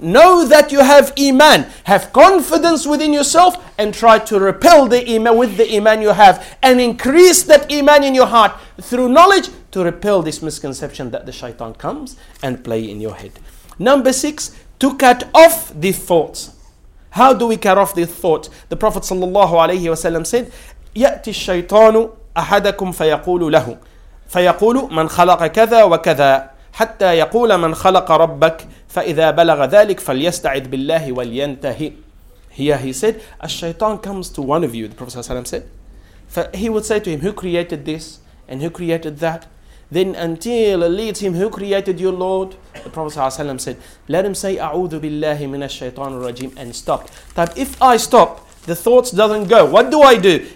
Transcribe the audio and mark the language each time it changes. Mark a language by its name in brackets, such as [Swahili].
[English] Know that you have iman. Have confidence within yourself and try to repel the iman with the iman you have and increase that iman in your heart through knowledge to repel this misconception that the shaitan comes and play in your head. Number six, to cut off the thoughts. How do we cut off the thought? The Prophet sallallahu alayhi wa sallam said, [Arabic] يأتي الشيطان أحدكم فيقول له فيقول من خلق كذا وكذا حتى يقول من خلق ربك فإذا بلغ ذلك فليستعذ بالله ولينتهي. [English] Here he said, a shaitan comes to one of you, the Prophet ﷺ said. He would say to him, who created this and who created that? Then until it leads him, who created your Lord? The Prophet ﷺ said, let him say, A'udhu billahi minash shaitan rajim, and stop. Type, if I stop, the thoughts doesn't go. What do I do?